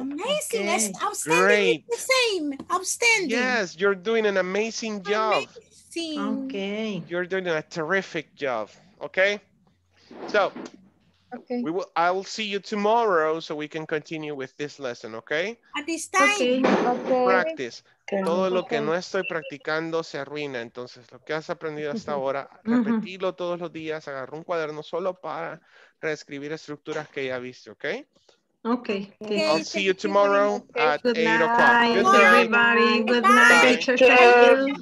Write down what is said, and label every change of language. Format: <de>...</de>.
<en>Amazing. Okay. Outstanding. Great. It's the same. Outstanding. Yes, you're doing an amazing job. Okay. You're doing a terrific job. Okay. So okay. I will see you tomorrow so we can continue with this lesson. Okay. At this time. Okay. Practice. Okay.</en> <es>Todo lo que no estoy practicando se arruina. Entonces, lo que has aprendido hasta ahora, repetilo todos los días. Agarra un cuaderno solo para reescribir estructuras que ya viste. Okay.</es> <en>Okay. Okay. I'll see you tomorrow at 8 o'clock. Good night, everybody. Good night, teacher. Thank you.</en>